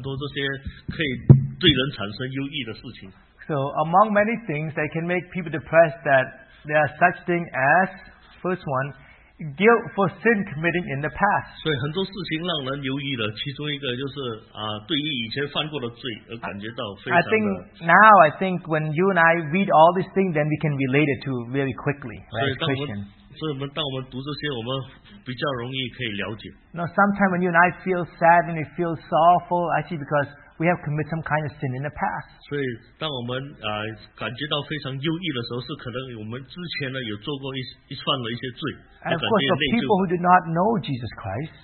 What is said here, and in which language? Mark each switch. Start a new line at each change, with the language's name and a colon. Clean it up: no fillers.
Chinese: 所以耶稣呢，他有就是解决很多人很多这些可以对人产生忧郁的事情。
English: So among many things that can make people depressed, that there are such things as, first one, guilt for sin committing in the past.
Chinese: 所以很多事情让人忧郁的，其中一个就是对于以前犯过的罪而感觉到非常的。
English: I think now, I think when you and I read all these things, then we can relate it to really quickly, right, Christian.
Chinese: 所以我们当我们读这些，我们比较容易可以了解。
English: Now, sometimes when you and I feel sad and we feel sorrowful, actually because we have committed some kind of sin in the past.
Chinese: 所以当我们感觉到非常忧郁的时候，是可能我们之前呢有做过一串的一些罪。
English: And of course, the people who do not know Jesus Christ.